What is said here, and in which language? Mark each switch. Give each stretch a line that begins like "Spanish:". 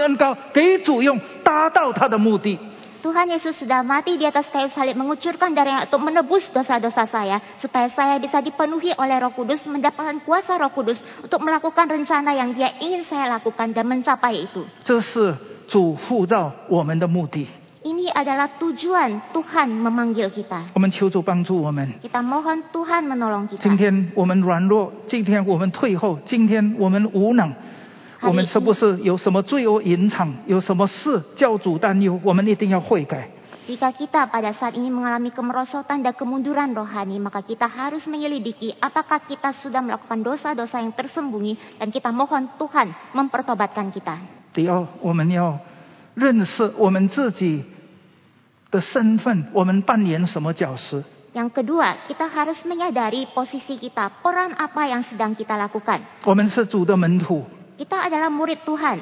Chinese: 主耶稣已经为我钉在十字架上流血舍命，成就了救赎。他为我预备了一切的赦免罪过，让我能够被圣灵充满，让我能够给圣灵恩膏，给主用，达到他的目的。
Indonesian: Tuhan Yesus sudah mati di atas kayu salib mengucurkan darah untuk menebus dosa-dosa saya supaya saya bisa dipenuhi oleh Roh Kudus, mendapatkan kuasa Roh Kudus untuk melakukan rencana yang Dia ingin saya lakukan dan mencapai itu.
Chinese: 这是主呼召我们的目的。
Indonesian: Ini adalah tujuan Tuhan memanggil kita.
Chinese: 我们求主帮助我们。
Indonesian: Kita mohon Tuhan menolong kita.
Chinese: 今天我们软弱，今天我们退后，今天我们无能。我们是不是有什么罪恶隐藏，有什么事叫主担忧？我们一定要悔改。
Indonesian: Jika kita pada saat ini mengalami kemerosotan dan kemunduran rohani, maka kita harus menyelidiki apakah kita sudah melakukan dosa-dosa yang tersembunyi dan kita mohon Tuhan mempertobatkan kita.
Chinese: 第二，我们要认识我们自己的身份，我们扮演什么角色。
Indonesian: Yang kedua, kita harus menyadari posisi kita, peran apa yang sedang kita lakukan.
Chinese: 我们是主的门徒。
Indonesian: Kita adalah murid Tuhan.